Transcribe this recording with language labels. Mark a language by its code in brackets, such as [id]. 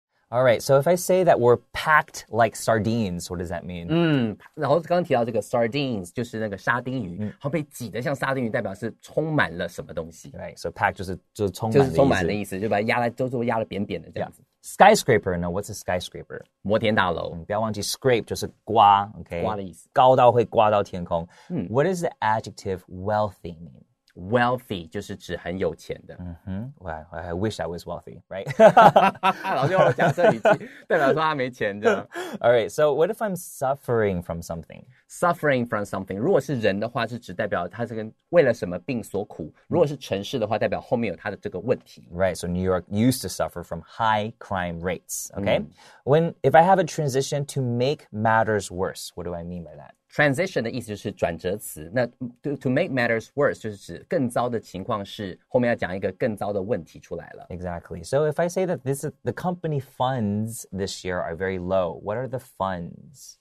[en] All right, so if I say that we're packed like sardines, what does that mean? [zh] 然后刚刚提到这个 sardines, 就是那个沙丁鱼、它被挤得像沙丁鱼代表是充满了什么东西。 [en] Right, so packed [zh] 就是充满的意思。就是充满的意思就把它压了就压了扁扁的这样子。 [en] Yeah. Skyscraper, now what's a skyscraper? [zh] 摩天大楼。不要忘记 scrape 就是刮 okay? 刮的意思。高到会刮到天空。 [en] What does the adjective wealthy mean? [zh] Wealthy 就是指很有钱的。 [en] Well, I wish I was wealthy, right? [zh] 老师要我讲这一句，代表说他没钱的。 [en] All right, so what if I'm suffering from something? Suffering from something. [zh] 如果是人的话，是指代表他这个为了什么病所苦。如果是城市的话，代表后面有他的这个问题。 [en] Right, so New York used to suffer from high crime rates. Okay, if I have a transition to make matters worse, what do I mean by that? [zh] Transition 的意思就是转折词那 [en] to make matters worse [zh] 就是指更糟的情况是后面要讲一个更糟的问题出来了 [en] Exactly. So if I say that the company funds this year are very low, what are the funds?